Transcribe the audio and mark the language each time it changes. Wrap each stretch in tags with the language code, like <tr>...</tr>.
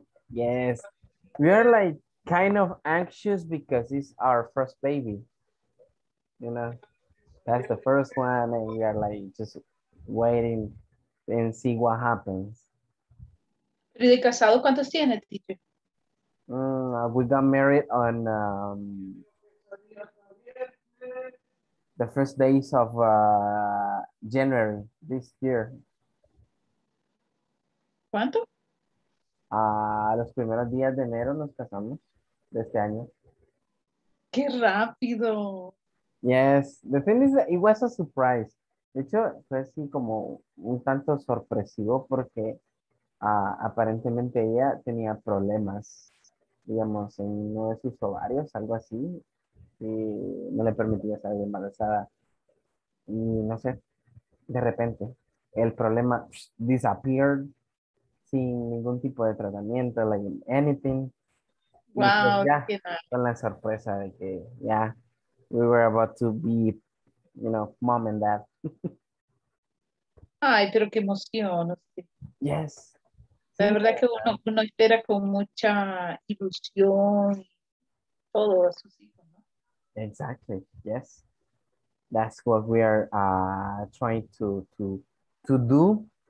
<en>Yes. We are like kind of anxious because it's our first baby, you know, that's the first one, and we are like just waiting and see what happens.</en> <es>¿Y de casado cuántos tiene, teacher?</es> <en>We got married on the first days of January this year.</en> <es>¿Cuánto? Los primeros días de enero nos casamos de este año. ¡Qué rápido!</es> <en>Yes, the thing is that it was a surprise.</en> <es>De hecho, fue así como un tanto sorpresivo porque aparentemente ella tenía problemas, digamos, en uno de sus ovarios, algo así, y no le permitía salir embarazada. Y no sé, de repente, el problema disappeared sin ningún tipo de tratamiento,</es> <en>like anything.</en> <es>Wow, pues ya, con la sorpresa de que ya,</es> <en>we were about to be, you know, mom and dad.</en> <es>Ay, pero qué emoción.</es> <en>Yes.</en> <es>La verdad que uno espera con mucha ilusión todo a sus hijos, ¿no?</es> <en>Exactly, yes. That's what we are trying to do.</en>